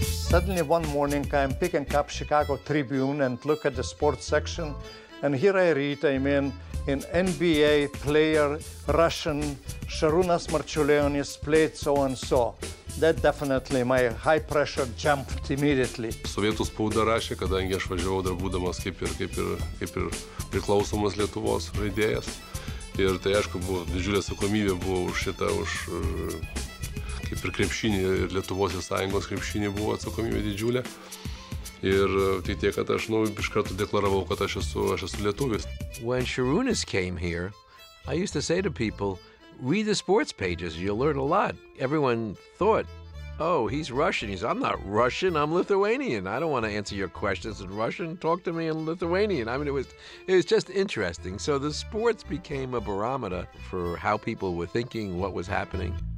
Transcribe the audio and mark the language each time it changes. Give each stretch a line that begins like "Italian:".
English: Suddenly one morning I'm picking up Chicago Tribune and look at the sports section, and here I read, I mean, in NBA player Russian Šarūnas Marčiulionis played so and so. That definitely my high pressure jumped immediately.
Lithuanian: Sovietų spauda rašė, kadangi aš važiavau dar būdamas kaip ir priklausomas Lietuvos žaidėjas. Ir tai, aišku, buvo didžiulė atsakomybė buvo už šitą, už kaip ir krepšinį, ir Lietuvos sąjungos krepšinį buvo atsakomybė didžiulė. Ir tik tiek, kad aš, nu, iš karto deklaravau, kad aš esu lietuvis.
English: When Šarūnas came here, I used to say to people, read the sports pages, you'll learn a lot. Everyone thought, oh, he's Russian. He's, I'm not Russian, I'm Lithuanian. I don't want to answer your questions in Russian. Talk to me in Lithuanian. I mean, it was just interesting. So the sports became a barometer for how people were thinking, what was happening.